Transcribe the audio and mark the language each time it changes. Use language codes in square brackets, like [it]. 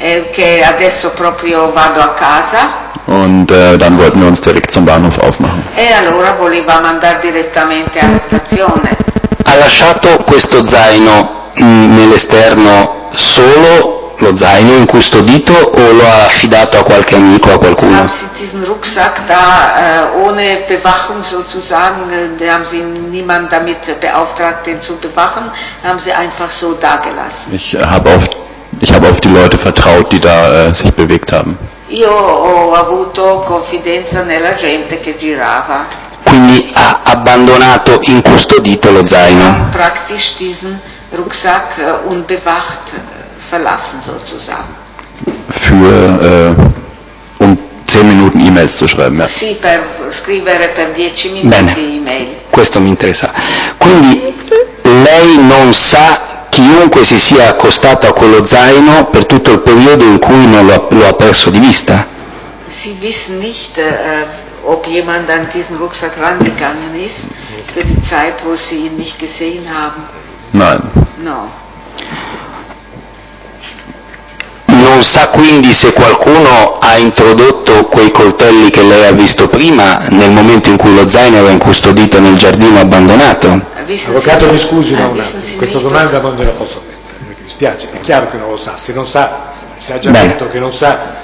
[it] Che adesso proprio vado a casa. [de] Und dann wollten wir uns direkt zum Bahnhof aufmachen. [it] E allora volevamo andare direttamente alla stazione. Ha lasciato questo zaino nell'esterno solo, lo zaino in custodito, o lo ha affidato a qualche amico, a qualcuno? [de] Haben Sie diesen Rucksack da ohne Bewachung sozusagen, da haben Sie niemanden damit beauftragt, den zu bewachen, haben Sie einfach so da gelassen? Ich habe auf die Leute vertraut, die da sich bewegt haben. [it] Io ho avuto confidenza nella gente che girava. Quindi ha abbandonato incustodito lo zaino. [de] Praktisch diesen Rucksack unbewacht verlassen sozusagen. Für um 10 Minuten E-Mails zu schreiben. Ja. [it] Sì, per scrivere per 10 minuti. Bene. E-mail. Questo mi interessa. Quindi lei non sa chiunque si sia accostato a quello zaino per tutto il periodo in cui non lo ha perso di vista. [de] Sie wissen nicht, ob jemand an diesen Rucksack rangegangen ist für die Zeit, wo sie ihn nicht gesehen haben. Nein. [it] No. Non sa quindi se qualcuno ha introdotto quei coltelli che lei ha visto prima nel momento in cui lo zaino era incustodito nel giardino abbandonato? Avvocato, mi scusi da un attimo, questa domanda non gliela posso fare, mi dispiace, è chiaro che non lo sa, se non sa, se ha già detto che non sa.